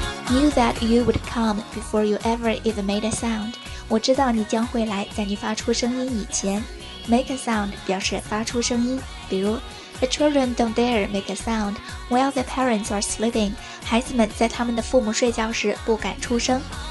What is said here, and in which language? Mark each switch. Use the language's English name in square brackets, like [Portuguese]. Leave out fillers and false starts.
[English] Knew that you would come before you ever even made a sound. [Chinese] 我知道你将会来，在你发出声音以前。 [English] Make a sound [Chinese] 表示发出声音，比如 [English] The children don't dare make a sound while their parents are sleeping. [Chinese] 孩子们在他们的父母睡觉时不敢出声。